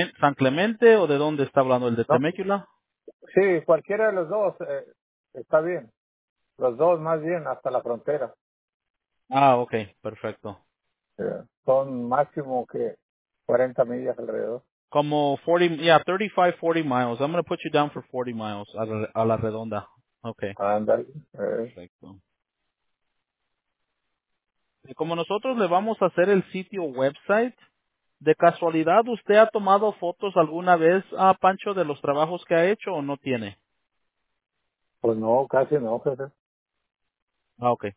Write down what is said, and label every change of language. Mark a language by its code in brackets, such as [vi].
[es] ¿San Clemente o de dónde está hablando? ¿El de Temécula? Sí, cualquiera de los dos está bien. Los dos más bien hasta la frontera. Ah, okay, perfecto. Son máximo que 40 millas alrededor. Como 35-40 miles. [en] I'm going to put you down for 40 miles [es] a la redonda. Okay. Ándale. Perfecto. Y como nosotros le vamos a hacer el sitio website, ¿de casualidad usted ha tomado fotos alguna vez, a Pancho, de los trabajos que ha hecho o no tiene? Pues no, casi no, jefe. Ah, okay.